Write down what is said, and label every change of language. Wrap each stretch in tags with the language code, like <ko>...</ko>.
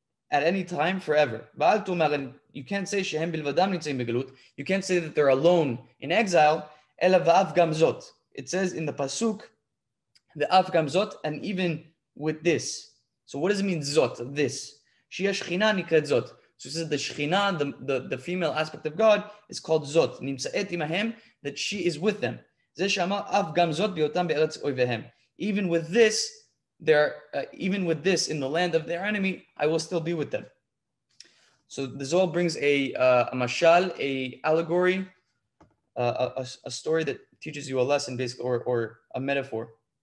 <en>at any time forever.</en> <he>ואל תאמר,</he> <en>you can't say</en> <he>שהם בלבדם נמצאים בגלות,</he> <en>you can't say that they're alone in exile,</en> <he>אלא ואף גם זאת.</he> <en>It says in the pasuk,</en> <he>ואף גם זאת,</he> <en>and even with this. So what does it mean זאת, this?</en> <he>שהיא השכינה נקראת זאת.</he> <en>So it says the שכינה, the female aspect of God, is called זאת.</en> <he>נמצאת עמהם,</he> <en>that she is with them.</en> <he>זה שאמר, אף גם זאת ביותם בארץ אויביהם.</he> <en>Even with this, even with this in the land of their enemy, I will still be with them. So the Zohar brings a mashal, a allegory, a story that teaches you a lesson, basically, or a metaphor.</en>